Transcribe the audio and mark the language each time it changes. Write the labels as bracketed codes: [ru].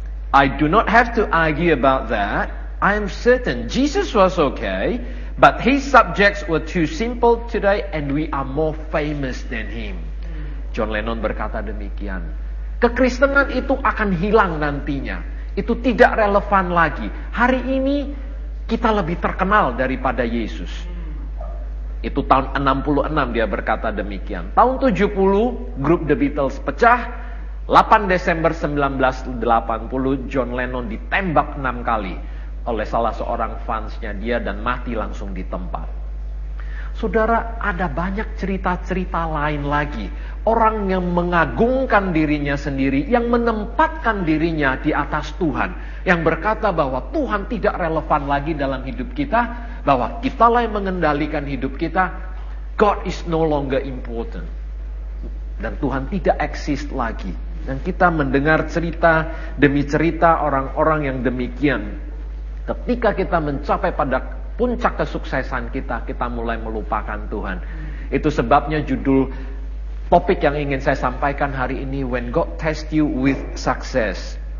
[en] I do not have to argue about that. I am certain Jesus was okay, but his subjects were too simple today and we are more famous than him. [id] John Lennon berkata demikian. Kekristenan itu akan hilang nantinya. Itu tidak relevan lagi. Hari ini kita lebih terkenal daripada Yesus. Itu tahun 66 dia berkata demikian. Tahun 70 grup The Beatles pecah. 8 Desember 1980 John Lennon ditembak 6 kali oleh salah seorang fansnya dia dan mati langsung di tempat. Saudara, ada banyak cerita-cerita lain lagi. Orang yang mengagungkan dirinya sendiri, yang menempatkan dirinya di atas Tuhan. Yang berkata bahwa Tuhan tidak relevan lagi dalam hidup kita, bahwa kitalah yang mengendalikan hidup kita. [en] God is no longer important. [id] Dan Tuhan tidak exist lagi. Dan kita mendengar cerita demi cerita orang-orang yang demikian. Ketika kita mencapai pada puncak kesuksesan kita, kita mulai melupakan Tuhan. Itu sebabnya judul topik yang ingin saya sampaikan hari ini, [en] When God Tests You With Success.